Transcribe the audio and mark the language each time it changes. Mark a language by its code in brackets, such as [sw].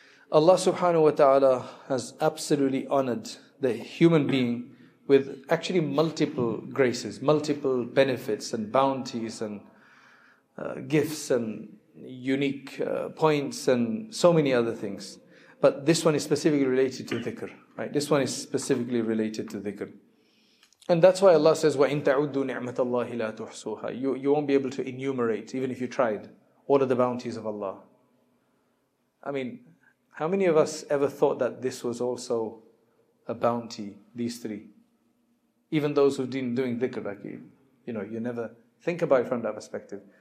[en] Allah subhanahu wa ta'ala has absolutely honored the human being with actually multiple graces, multiple benefits and bounties and gifts and unique points and so many other things. But this one is specifically related to dhikr, right? This one is specifically related to dhikr. And that's why Allah says, [ar] وَإِن تَعُدُّ نِعْمَةَ اللَّهِ لَا تُحْصُوهَا. [en] You won't be able to enumerate, even if you tried, all of the bounties of Allah. I mean, how many of us ever thought that this was also a bounty, these three? Even those who've been doing dhikr, like, you know, you never think about it from that perspective.